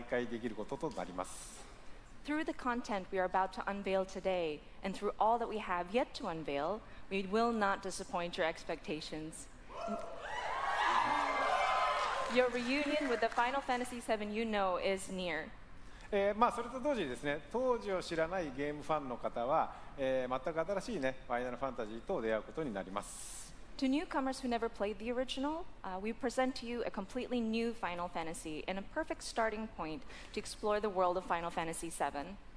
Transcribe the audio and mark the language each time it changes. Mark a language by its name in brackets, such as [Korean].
[Japanese] これからご紹介する映像及びゲームプレイで、ファンの方の期待を決して裏切らない、皆さんのよく知っているFF7に再会できることとなります。 [English] Through the content we are about to unveil today, and through all that we have yet to unveil, we will not disappoint your expectations. Your reunion with the Final Fantasy VII you know is near. [Japanese] それと同時にですね、当時を知らないゲームファンの方は、全く新しいね、ファイナルファンタジーと出会うことになります。 [English] To newcomers who never played the original, we present to you a completely new Final Fantasy and a perfect starting point to explore the world of Final Fantasy VII.